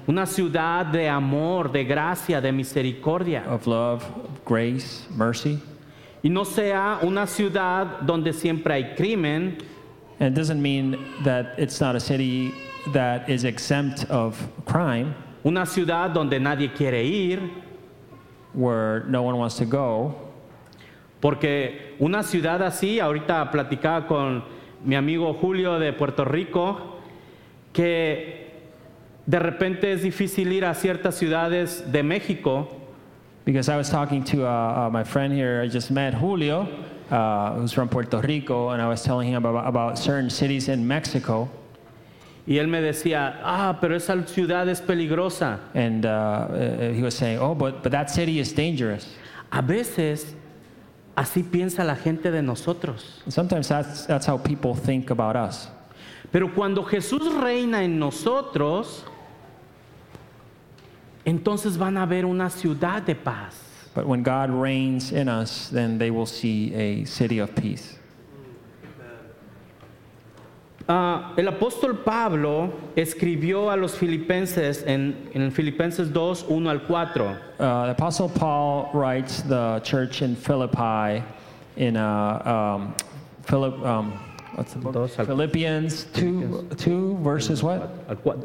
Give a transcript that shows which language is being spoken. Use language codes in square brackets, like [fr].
[es] Una ciudad de amor, de gracia, de misericordia. [en] Of love, of grace, mercy. [es] Y no sea una ciudad donde siempre hay crimen. [en] And it doesn't mean that it's not a city that is exempt of crime. [es] Una ciudad donde nadie quiere ir. [en] Where no one wants to go. [es] Porque una ciudad así, ahorita platicaba con mi amigo Julio de Puerto Rico, que de repente es difícil ir a ciertas ciudades de México. [en] Because I was talking to my friend here, I just met Julio, who's from Puerto Rico, and I was telling him about certain cities in Mexico. [es] Y él me decía, ah, pero esa ciudad es peligrosa. [en] And he was saying, oh, but that city is dangerous. [es] A veces, así piensa la gente de nosotros. [en] Sometimes that's how people think about us. [es] Pero cuando Jesús reina en nosotros, entonces van a ver una ciudad de paz. [en] But when God reigns in us, then they will see a city of peace. [es] El apóstol Pablo escribió a los Filipenses en Filipenses 2, 1 al 4. [en] The apostle Paul writes the church in Philippi in Philippians 2 verses what?